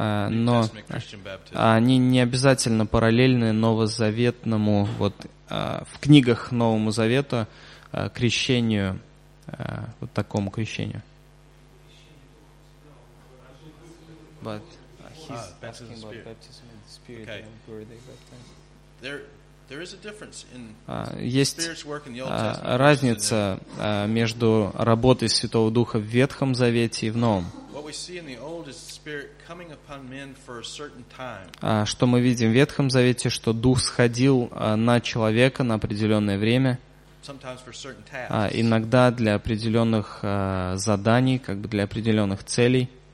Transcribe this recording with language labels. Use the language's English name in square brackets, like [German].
[Russian] Но они не обязательно параллельны новозаветному, вот в книгах Нового Завета, крещению, вот такому крещению. [English] But he's asking about baptism in the Spirit, okay. And were they baptized? There is a difference in Spirit's work in the Old Testament. [Russian] Разница между работой Святого Духа в Ветхом Завете и в Новом. [English] What we see in the Old is Spirit coming upon men for a certain time. [Russian] Что мы видим в Ветхом Завете, что Дух сходил на человека на определенное время. [English] Sometimes for certain tasks. [Russian] Иногда для определенных заданий, как бы для определенных целей.